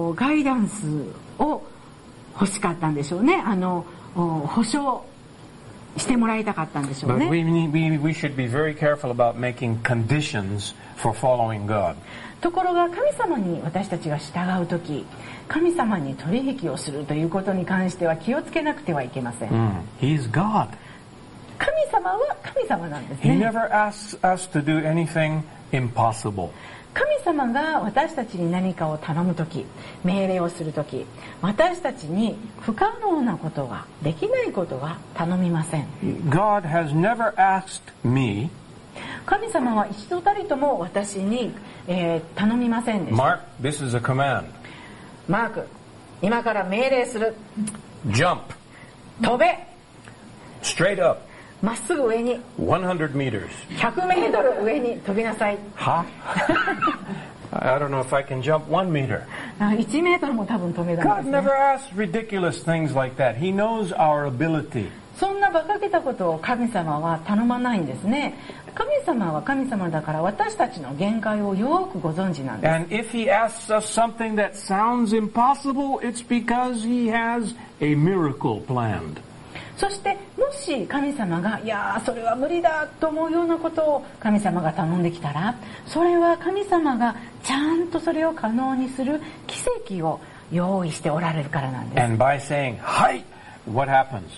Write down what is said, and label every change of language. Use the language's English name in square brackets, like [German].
[Japanese] ガイダンスを欲しかったんでしょうね。保証。してもらいたかったんでしょうね。 [English] But we should be very careful about making conditions for following God. [Japanese] ところが神様に私たちが従うとき、神様に取引をするということに関しては気をつけなくてはいけません。 [English] He's God. [Japanese] 神様は神様なんですね。 [English] He never asks us to do anything impossible. [Japanese] 神様が私たちに何かを頼むとき、命令をするとき、私たちに不可能なことは、できないことは頼みません。 [English] God has never asked me, [Japanese] 神様は一度たりとも私に、頼みませんでした。 [English] Mark, this is a command. [Japanese] マーク、今から命令する。 [English] Jump. [Japanese] 飛べ。 [English] Straight up. [Japanese] まっすぐ上に。 [English] 100 meters. [Japanese] 100メートル上に飛びなさい。 Huh? [English] I don't know if I can jump 1 meter. [Japanese] 1メートルも多分飛べない。 [English] God never asks ridiculous things like that. He knows our ability. [Japanese] そんな馬鹿げたことを神様は頼まないんですね。神様は神様だから私たちの限界をよくご存知なんです。 [English] And if he asks us something that sounds impossible, it's because he has a miracle planned. [Japanese] そしてもし神様がいやそれは無理だと思うようなことを神様が頼んできたら、それは神様がちゃんとそれを可能にする奇跡を用意しておられるからなんです。 [English] And by saying, はい、What happens?